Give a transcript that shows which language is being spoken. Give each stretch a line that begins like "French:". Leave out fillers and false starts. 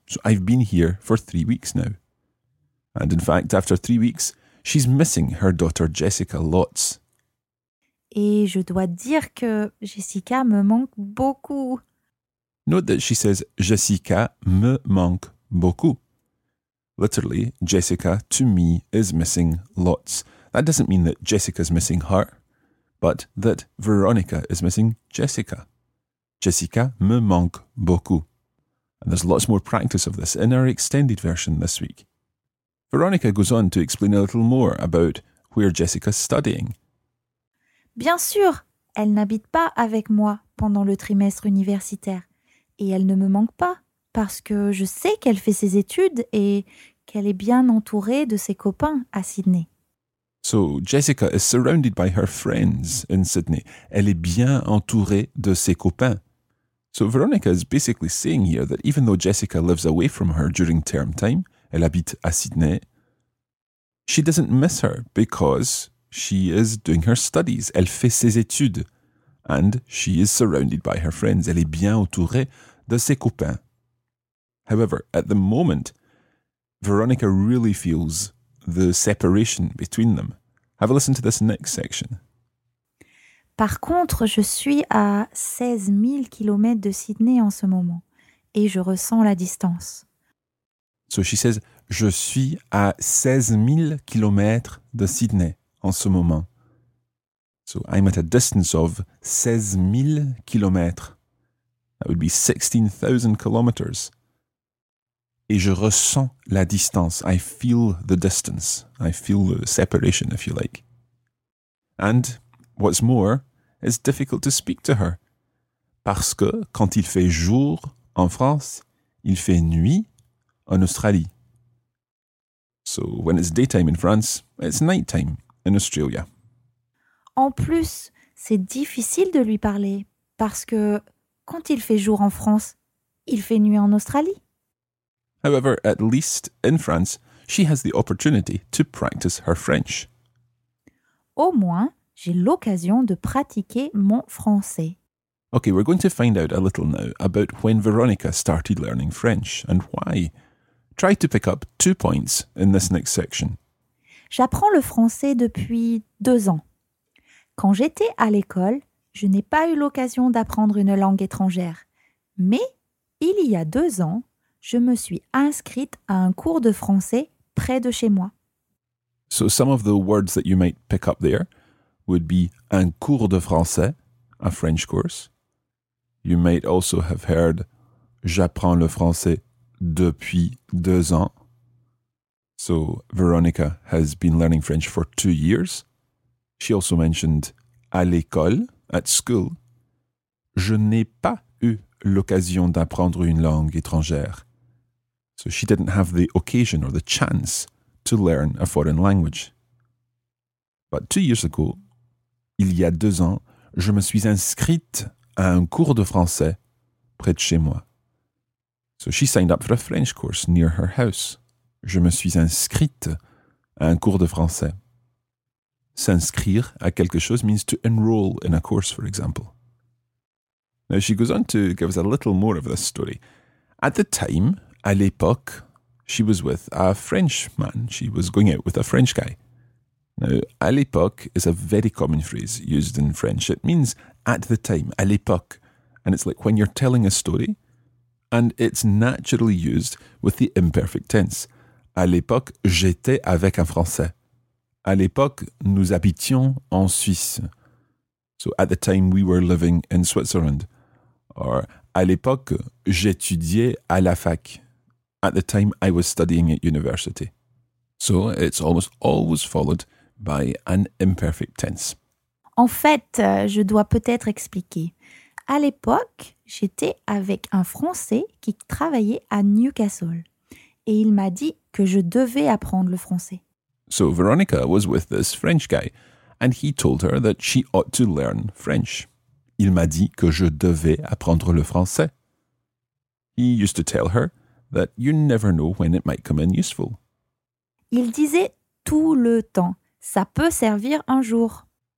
English: So I've been here for 3 weeks now. And in fact, after 3 weeks, she's missing her daughter Jessica lots.
French: Et je dois dire que Jessica me manque beaucoup.
English: Note that she says
French: Jessica me manque beaucoup.
English: Literally, Jessica to me is missing lots. That doesn't mean that Jessica's missing her, but that Veronica is missing Jessica.
French: Jessica me manque beaucoup.
English: And there's lots more practice of this in our extended version this week. Veronica goes on to explain a little more about where Jessica's studying.
French: Bien sûr, elle n'habite pas avec moi pendant le trimestre universitaire. Et elle ne me manque pas, parce que je sais qu'elle fait ses études et qu'elle est bien entourée de ses copains à Sydney.
English: So, Jessica is surrounded by her friends in Sydney.
French: Elle est bien entourée de ses copains.
English: So, Veronica is basically saying here that even though Jessica lives away from her during term time,
French: elle habite à Sydney,
English: she doesn't miss her because she is doing her studies.
French: Elle fait ses études.
English: And she is surrounded by her friends.
French: Elle est bien entourée de ses copains.
English: However, at the moment, Veronica really feels the separation between them. Have a listen to this next section.
French: Par contre, je suis à 16 000 kilomètres de Sydney en ce moment et je ressens la distance.
English: So she says,
French: je suis à 16 000 kilomètres de Sydney en ce moment.
English: So I'm at a distance of 16 000 kilomètres. That would be 16,000 kilometers.
French: Et je ressens la distance.
English: I feel the distance. I feel the separation, if you like. And what's more, it's difficult to speak to her.
French: Parce que quand il fait jour en France, il fait nuit en Australie.
English: So when it's daytime in France, it's nighttime in Australia.
French: En plus, c'est difficile de lui parler. Parce que quand il fait jour en France, il fait nuit en Australie.
English: However, at least in France, she has the opportunity to practice her French.
French: Au moins, j'ai l'occasion de pratiquer mon français.
English: Okay, we're going to find out a little now about when Veronica started learning French and why. Try to pick up 2 points in this next section.
French: J'apprends le français depuis 2 ans. Quand j'étais à l'école, je n'ai pas eu l'occasion d'apprendre une langue étrangère. Mais il y a 2 ans, je me suis inscrite à un cours de français près de chez moi.
English: So some of the words that you might pick up there would be
French: un cours de français,
English: a French course. You might also have heard
French: j'apprends le français depuis 2 ans.
English: So Veronica has been learning French for 2 years. She also mentioned
French: à l'école,
English: at school.
French: Je n'ai pas eu l'occasion d'apprendre une langue étrangère.
English: So she didn't have the occasion or the chance to learn a foreign language. But 2 years ago,
French: il y a 2 ans, je me suis inscrite à un cours de français près de chez moi.
English: So she signed up for a French course near her house.
French: Je me suis inscrite à un cours de français. S'inscrire à quelque chose
English: means to enroll in a course, for example. Now she goes on to give us a little more of this story. At the time,
French: à l'époque,
English: she was with a French man. She was going out with a French guy. Now,
French: à l'époque
English: is a very common phrase used in French. It means at the time,
French: à l'époque.
English: And it's like when you're telling a story, and it's naturally used with the imperfect tense.
French: À l'époque, j'étais avec un Français. À l'époque, nous habitions en Suisse.
English: So, at the time, we were living in Switzerland.
French: Or, à l'époque, j'étudiais à la fac.
English: At the time, I was studying at university. So it's almost always followed by an imperfect tense.
French: En fait, je dois peut-être expliquer. À l'époque, j'étais avec un Français qui travaillait à Newcastle. Et il m'a dit que je devais apprendre le français.
English: So Veronica was with this French guy. And he told her that she ought to learn French.
French: Il m'a dit que je devais apprendre le français.
English: He used to tell her that you never know when it might come in useful.
French: Il disait tout le temps, ça peut servir un jour.